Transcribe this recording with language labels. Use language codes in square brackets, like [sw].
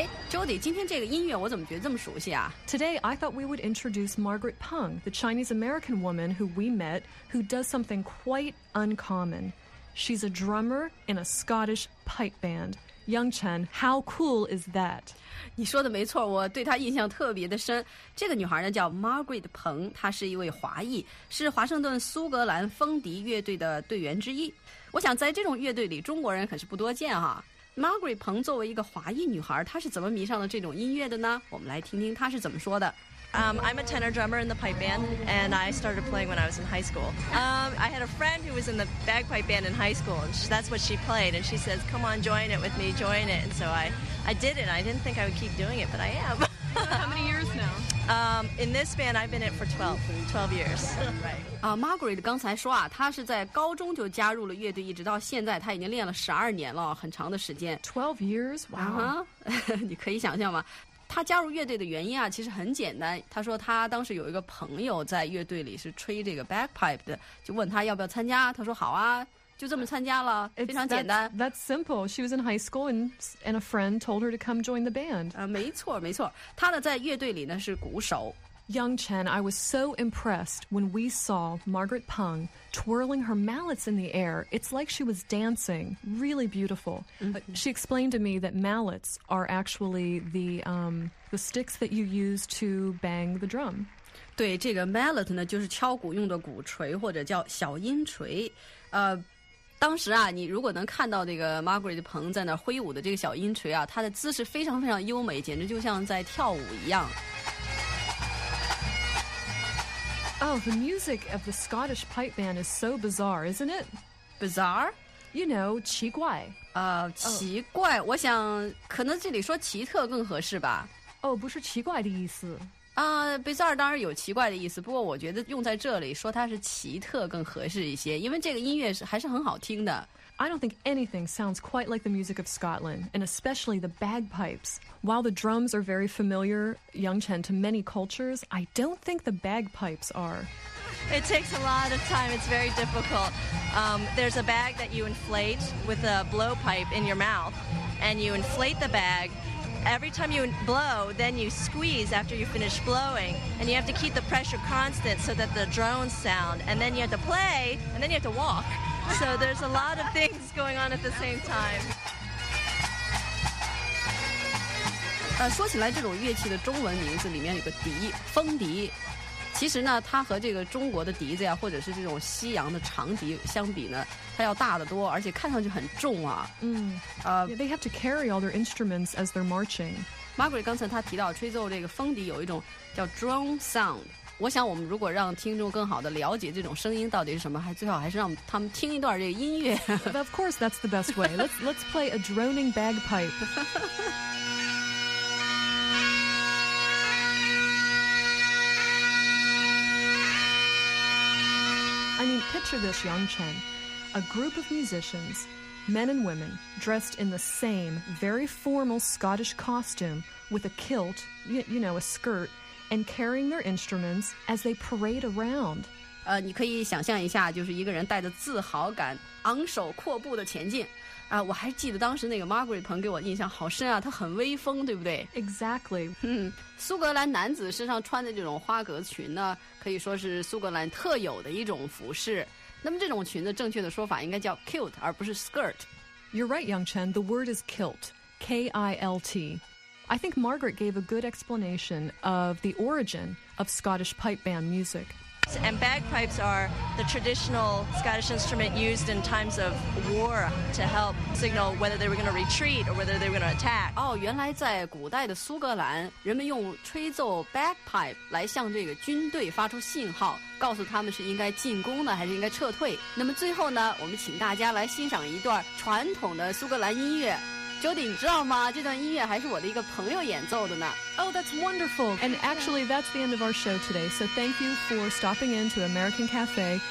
[zh] Jody, 今天这个音乐我怎么觉得这么熟悉啊? [en] Today, I thought we would introduce Margaret Peng, the Chinese-American woman who we met, who does something quite uncommon. She's a drummer in a Scottish pipe band. Yang Chen, how cool is that? [zh] 你说的没错，我对她印象特别的深。这个女孩呢叫 Margaret Peng, 她是一位华裔，是华盛顿苏格兰风笛乐队的队员之一。我想在这种乐队里，中国人可是不多见啊。Margaret Peng 作为一个华裔女孩，她是怎么迷上了这种音乐的呢？我们来听听她是怎么说的。 [en] I'm a tenor drummer in the pipe band, and I started playing when I was in high school. I had a friend who was in the bagpipe band in high school, and that's what she played. And she says, "Come on, join it with me, join it." And so I did it. I didn't think I would keep doing it, but I am. How many years now? In this band, I've been in it for 12 years. Right. [zh] Margaret 刚才说啊，她是在高中就加入了乐队，一直到现在，她已经练了12年了，很长的时间。 [en] 12 years? Wow. [zh] Uh-huh. 你可以想象吗？他加入乐队的原因啊，其实很简单。他说他当时有一个朋友在乐队里是吹这个 bagpipe 的，就问他要不要参加。他说好啊，就这么参加了，非常简单。 [en] That's simple. She was in high school and a friend told her to come join the band. [zh] 没错没错。他呢在乐队里呢是鼓手。 [en] Young Chen, I was so impressed when we saw Margaret Peng twirling her mallets in the air. It's like she was dancing. Really beautiful. Mm-hmm. She explained to me that mallets are actually the sticks that you use to bang the drum. [zh] 对，这个 mallet 呢，就是敲鼓用的鼓槌，或者叫小音锤。当时啊，你如果能看到这个 Margaret Peng 在那挥舞的这个小音锤啊，她的姿势非常非常优美，简直就像在跳舞一样。 [en] Oh, the music of the Scottish pipe band is so bizarre, isn't it? Bizarre? You know, [zh] 奇怪。奇怪，我想可能这里说奇特更合适吧。哦，不是奇怪的意思。 Bizarre 当然有奇怪的意思，不过我觉得用在这里说它是奇特更合适一些，因为这个音乐还是很好听的。 [en] I don't think anything sounds quite like the music of Scotland, and especially the bagpipes. While the drums are very familiar, Yang Chen, to many cultures, I don't think the bagpipes are. It takes a lot of time. It's very difficult. There's a bag that you inflate with a blowpipe in your mouth, and you inflate the bag. Every time you blow, then you squeeze after you finish blowing, and you have to keep the pressure constant so that the drones sound, and then you have to play, and then you have to walk. So there's a lot of things going on at the same time. [zh] 说起来这种乐器的中文名字里面有个笛，风笛。其实呢，它和这个中国的笛子呀，或者是这种西洋的长笛相比呢，它要大得多，而且看上去很重啊。 [en] They have to carry all their instruments as they're marching. [zh] Margaret 刚才她提到吹奏这个风笛有一种叫 drone sound。我想我们如果让听众更好地了解这种声音到底是什么，还最好还是让他们听一段这个音乐。 [en] But of course, that's the best way. Let's play a droning bagpipe. I mean, picture this, Yang Chen. A group of musicians, men and women, dressed in the same very formal Scottish costume with a kilt, you know, a skirt,and carrying their instruments as they parade around. [zh] 你可以想象一下，就是一个人带着自豪感，昂首阔步的前进。我还记得当时那个 Margaret Peng 给我印象好深啊，她很威风，对不对？ [en] Exactly. [zh] 苏格兰男子身上穿的这种花格裙呢，可以说是苏格兰特有的一种服饰。那么这种裙子正确的说法应该叫 kilt, 而不是 skirt. [en] You're right, Yang Chen. The word is kilt. K-I-L-T. I think Margaret gave a good explanation of the origin of Scottish pipe band music. And bagpipes are the traditional Scottish instrument used in times of war to help signal whether they were going to retreat or whether they were going to attack. [zh] 原来在古代的苏格兰，人们用吹奏 bagpipe 来向这个军队发出信号，告诉他们是应该进攻呢，还是应该撤退。那么最后呢，我们请大家来欣赏一段传统的苏格兰音乐。 Jody, 你知道吗？这段音乐还是我的一个朋友演奏的呢。 [en] Oh, that's wonderful. And actually, that's the end of our show today. So thank you for stopping in to American Cafe.